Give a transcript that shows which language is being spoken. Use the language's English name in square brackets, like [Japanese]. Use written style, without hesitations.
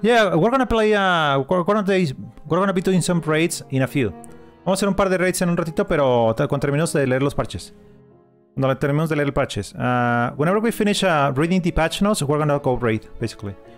[English] We're gonna be doing some raids in a few. [Spanish] Vamos a hacer un par de raids en un ratito, pero cuando terminemos de leer los parches. [English] Whenever we finish reading the patch notes, we're gonna go raid, basically.